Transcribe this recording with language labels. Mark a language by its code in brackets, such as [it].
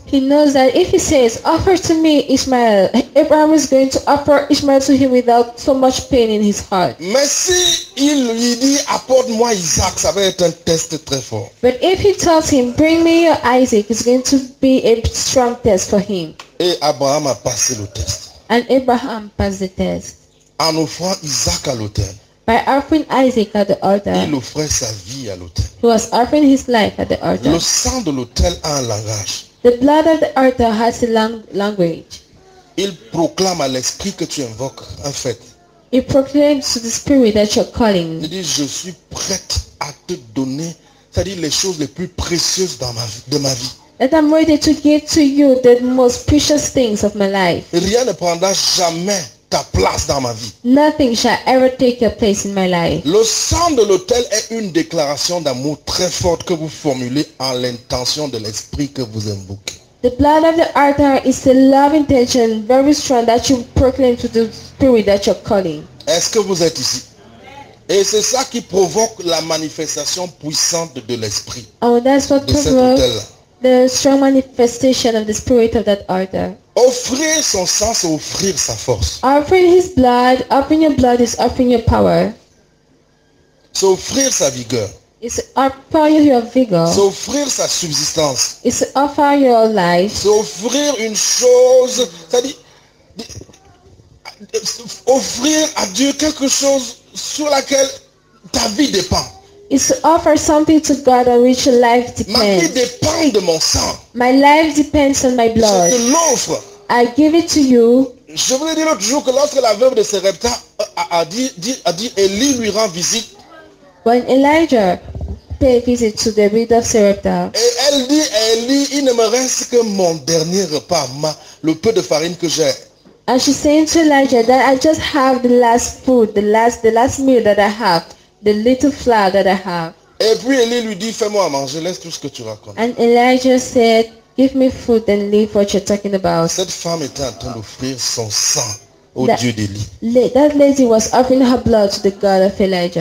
[en] He knows that if he says, offer to me Ismaël, Abraham is going to offer Ismaël to him without so much pain in his heart. [fr] Mais si il lui dit, apporte-moi Isaac, ça va être un test très fort. [en] But if he tells him, bring me your Isaac, it's going to be a strong test for him. [fr] Et Abraham a passé le test. [en] And Abraham passed the test. [fr] En offrant Isaac à l'autel. [en] By offering Isaac at the altar. [fr] Il offrait sa vie à l'autel. [en] He was offering his life at the altar. [fr] Le sang de l'autel a un langage. [en] The blood of the altar has a language. [fr] Il proclame à l'esprit que tu invoques en fait. [en] He proclaims to the spirit that you're calling. [fr] Il dit, je suis prête à te donner, c'est-à-dire les choses les plus précieuses dans ma vie. [en] That I'm ready to give to you the most precious things of my life. [fr] Rien ne prendra jamais ta place dans ma vie. [en] Nothing shall ever take your place in my life. [fr] Le sang de l'autel est une déclaration d'amour très forte que vous formulez en l'intention de l'esprit que vous invoquez. [en] The blood of the altar is a love intention very strong that you proclaim to the spirit that you're calling. [fr] Est-ce que vous êtes ici? Et c'est ça qui provoque la manifestation puissante de l'esprit. [en] Oh, that's what [fr] de cet autel. [en] The strong manifestation of the spirit of that altar. [fr] Offrir son sang, c'est offrir sa force. [en] Offering his blood, offering your blood is offering your power. [fr] C'est offrir sa vigueur. [en] It's offering your vigor. [fr] C'est offrir sa subsistance. [en] It's offer your life. [fr] C'est offrir une chose, c'est-à-dire offrir à Dieu quelque chose sur laquelle ta vie dépend. [en] It's to offer something to God on which your life depends. [fr] Ma vie dépend de mon sang. [en] My life depends on my blood. [fr] Je te l'offre. [en] I give it to you. [fr] Je vous l'ai dit l'autre jour que lorsque la veuve de Sarepta a dit, Élie lui rend visite. [en] When Elijah paid visit to the widow of Sarepta. [fr] Et elle dit, Élie, il ne me reste que mon dernier repas, le peu de farine que j'ai. [en] And she's saying to Elijah that I just have the last food, the last meal that I have. The little flour that I have. [fr] Et puis Élie lui dit, fais-moi à manger, laisse tout ce que tu racontes. [en] And Elijah said, give me food and leave what you're talking about. [fr] Cette femme était en train d'offrir son sang au that, Dieu d'Élie. [en] That lady was offering her blood to the God of Elijah.